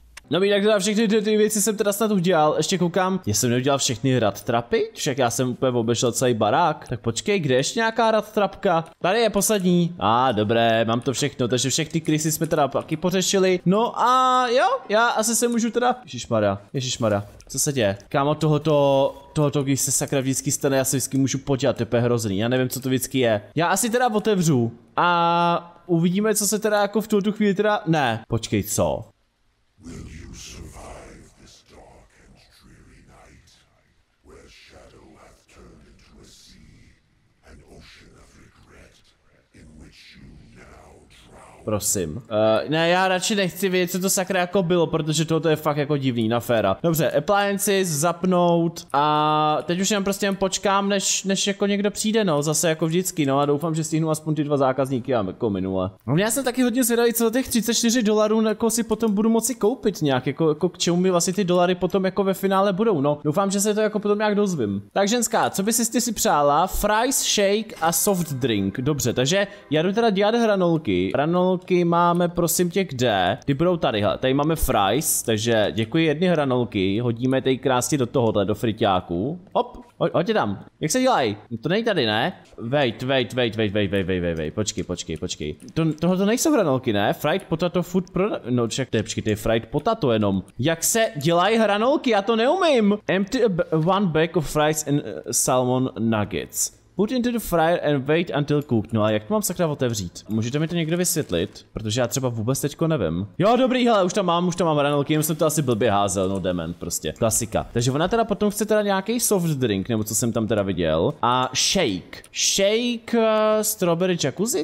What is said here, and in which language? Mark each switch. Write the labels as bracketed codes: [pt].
[cs] No jinak teda všechny ty věci jsem teda snad udělal, ještě koukám, já jsem neudělal všechny rattrapy, však já jsem úplně obešel celý barák, tak počkej, kde ještě nějaká rattrapka, tady je poslední, a dobré, mám to všechno, takže všechny krysy jsme teda taky pořešili, no a jo, já asi se můžu teda, ježišmarja, co se děje, kámo tohoto, když se sakra vždycky stane, já se vždycky můžu podělat, to je hrozný, já nevím, co to vždycky je, já asi teda otevřu a uvidíme, co se teda jako v tuto chvíli teda, ne, počkej, co? [en] Will you survive this dark and dreary night, where shadow hath turned into a sea, an ocean of regret, in which you now drown? [cs] Prosím. Ne, já radši nechci vědět, co to sakra jako bylo, protože toto je fakt jako divný, na féra. Dobře, appliances zapnout a teď už jen prostě jen počkám, než jako někdo přijde, no, zase jako vždycky, no a doufám, že stihnu aspoň ty dva zákazníky a jako minule. No, já jsem taky hodně zvědavý, co za těch 34 dolarů jako si potom budu moci koupit nějak, jako k čemu mi vlastně ty dolary potom jako ve finále budou, no, doufám, že se to jako potom nějak dozvím. Tak ženská, co bys ty si přála? [en] Fries, shake a soft drink. [cs] Dobře, takže já jdu teda dělat hranolky. Hranolky máme, prosím tě, kde? Ty budou tady, hele. Tady máme fries, takže děkuji, jedny hranolky, hodíme tady krásně do tohohle, do friťáku. Hop, hoď je tam. Jak se dělají? To není tady, ne? Wait, počkej. Tohle to nejsou hranolky, ne? [en] Fried potato food [cs] pro... No, však to je, počkej, to je [en] fried potato [cs] jenom. Jak se dělají hranolky? Já to neumím. [en] Empty one bag of fries and salmon nuggets. Put into the fryer and wait until cooked. [cs] No a jak to mám sakra otevřít? Můžete mi to někdo vysvětlit? Protože já třeba vůbec teďko nevím. Jo, dobrý, hele, už tam mám hranolky, jenom jsem to asi blbě házel, no dement prostě. Klasika. Takže ona teda potom chce teda nějaký soft drink, nebo co jsem tam teda viděl. [en] A shake. Shake strawberry jacuzzi?